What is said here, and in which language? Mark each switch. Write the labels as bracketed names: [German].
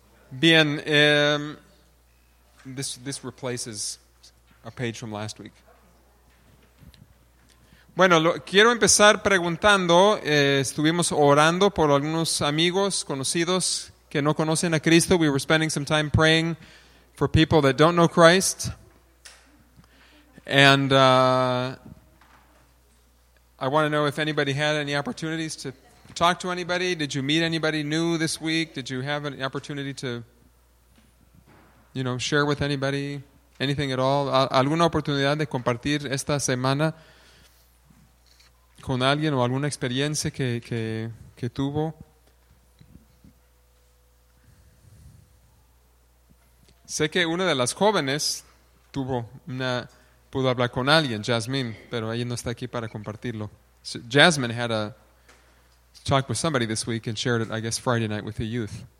[English] Bien, this replaces a page from last week. [Spanish] Bueno, quiero empezar preguntando, estuvimos orando por algunos amigos conocidos que no conocen a Cristo. [English] We were spending some time praying for people that don't know Christ. And I want to know if anybody had any opportunities to talk to anybody. Did you meet anybody new this week? Did you have an opportunity to, you know, share with anybody, anything at all? [Spanish] ¿Alguna oportunidad de compartir esta semana con alguien o alguna experiencia que tuvo? Sé que una de las jóvenes tuvo una, pudo hablar con alguien, Jasmine, pero ella no está aquí para compartirlo. [English] So Jasmine had a talk with somebody this week and shared it, I guess, Friday night with the youth.